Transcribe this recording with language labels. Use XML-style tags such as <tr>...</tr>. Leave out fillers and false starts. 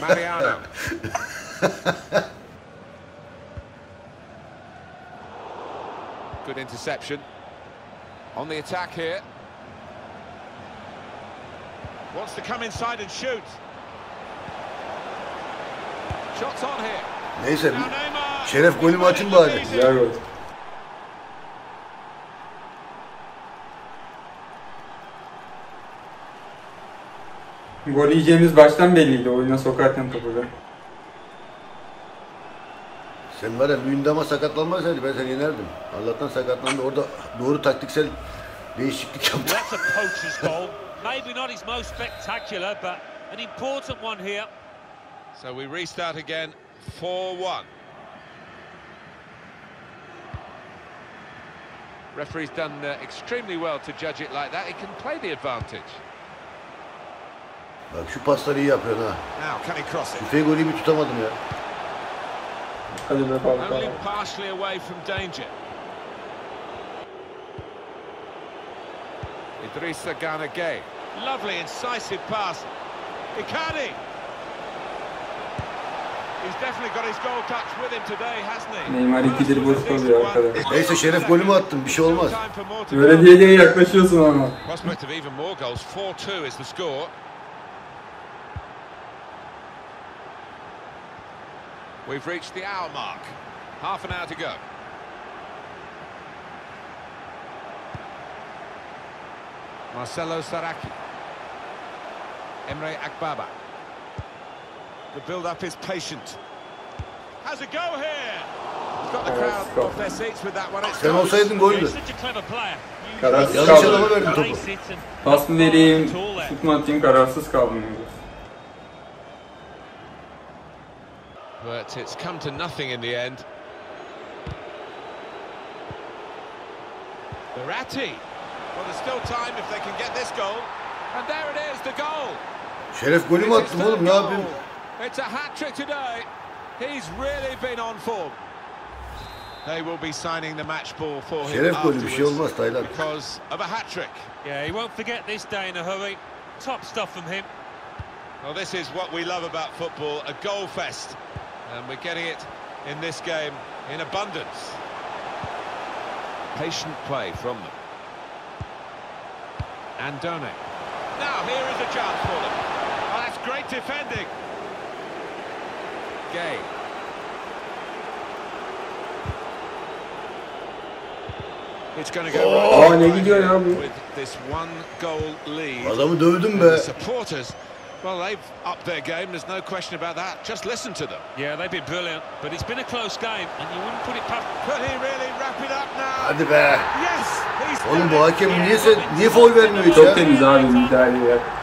<en>Mariano. Good interception. On the attack here. Wants to come inside and shoot. Shots on here.</en> <tr>Neyse, şeref golümü açın bari. Yani. Gol yiyeceğimiz baştan belliydi. Oyuna sokarken topu da. Sen var ya, Mündama sakatlanmasaydı ben seni yenerdim. Allah'tan sakatlandı. Orada doğru taktiksel değişiklik yaptı.</tr> <en>Maybe not his most spectacular, but an important one here. So we restart again, 4-1. Referee's done extremely well to judge it like that. He can play the advantage.</en> <tr>Bak şu pasları iyi yapıyor ha.</tr> <en>Now can he cross it?</en> <tr>Şu figürü bir tutamadım ya.</tr> <en>Only partially away from danger. Idrissa Gana-Gueye. Lovely incisive pass. Icardi. He's definitely got his goal touch with him today, hasn't he?</en> <tr>Neymar ikidir boş kalıyor arkadaşlar. Neyse şeref golü mü attım? Bir şey olmaz. Böyle diye diye yaklaşıyorsun ama.</tr> <en>Prospect of even more goals. 4-2 is the score. We've reached the hour mark. Half an hour to go. Marcelo Saracchi. Emre Akbaba. The build-up is patient. Has a go here. He's got the crowd off their seats with that one.</en> <tr>Sen olsaydın golü. Yanlış kaldım. Adama verdim topu. Pas mı vereyim? Tutma atayım, kararsız kaldım.</tr> <en>But it's come to nothing in the end. Verratti. Well, there's still time if they can get this goal. And there it is, the goal.</en> <tr>Şeref golü mü attım oğlum, ne yapayım?</tr> <en>It's a hat-trick today. He's really been on form. They will be signing the match ball for him.</en> <tr>Şeref golü bir şey olmaz Taylan.</tr> <en>Because of a hat-trick. Yeah, he won't forget this day in a hurry. Top stuff from him. Well, this is what we love about football, a goal fest. And we're getting it in this game in abundance. Patient play from them. Andone. Now, here is a chance for them. Oh, that's great defending. Gay. It's going to go with this one goal lead.</en> <tr>Adamı dövdüm be.</tr> <en>The supporters, well, they've upped their game. There's no question about that. Just listen to them. Yeah, they've been brilliant. But it's been a close game. And you wouldn't put it past. Could he really wrap it up now?</en> <tr>Hadi be.</tr> <en>Yes.</en> <tr>Oğlum bu hakem niye foul vermiyor hiç ya? Çok temiz abi müdahale ya.</tr>